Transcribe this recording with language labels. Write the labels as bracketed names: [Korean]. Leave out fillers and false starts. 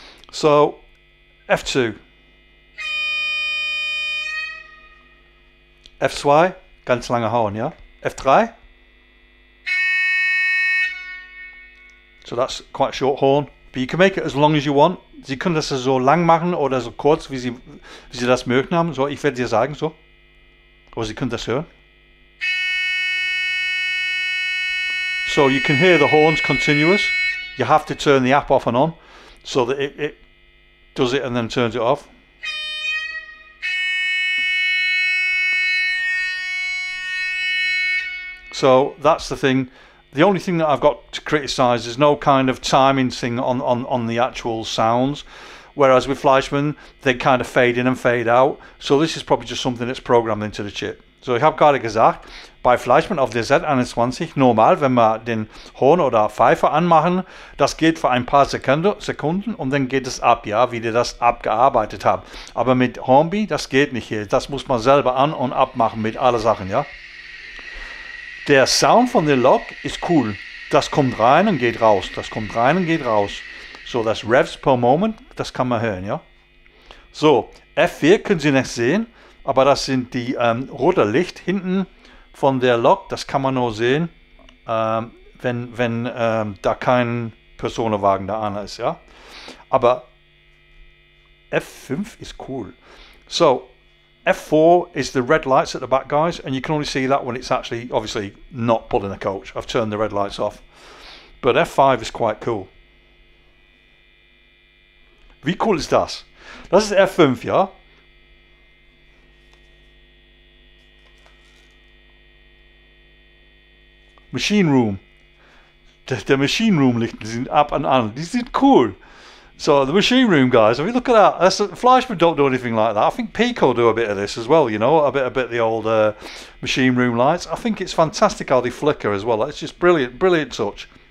[German] So, F2. F2, ganz lange Horn, ja? F3. [English] So that's quite a short horn. But you can make it as long as you want. [German] Sie können das so lang machen oder so kurz, wie Sie das möglich haben. So, ich werde dir sagen, so. Aber Sie können das hören. [English] So, you can hear the horns continuous. You have to turn the app off and on. so that it does it and then turns it off. So that's the thing. The only thing that I've got to criticise is no kind of timing thing on the actual sounds. Whereas with Fleischmann, they kind of fade in and fade out. So this is probably just something that's programmed into the chip. [German] So ich habe gerade gesagt, bei Fleischmann auf der Z21, normal, wenn wir den Horn oder Pfeifer anmachen, das geht für ein paar Sekunden und dann geht es ab, ja, wie die das abgearbeitet haben. Aber mit Hornby, das geht nicht hier. Das muss man selber an- und abmachen mit allen Sachen, ja. Der Sound von der Lok ist cool. Das kommt rein und geht raus. Das kommt rein und geht raus. So, das Revs per Moment, das kann man hören, ja. So, F4 können Sie nicht sehen. Aber das sind die rote Licht hinten von der Lok. Das kann man nur sehen, wenn da kein Personenwagen da an ist, ja. Aber F5 ist cool. [English] So, F4 is the red lights at the back, guys, and you can only see that when it's actually, obviously, not pulling a coach. I've turned the red lights off. But F5 is quite cool. [German] Wie cool ist das? Das ist F5, ja? [English] Machine Room. [German] Der Machine Room Licht sind ab und an. Die sind cool. [English] So, the Machine Room, guys, if you look at that, that's, Fleischmann don't do anything like that. I think Pico do a bit of this as well, you know, a bit of the old Machine Room lights. I think it's fantastic how they flicker as well. It's just brilliant, brilliant touch.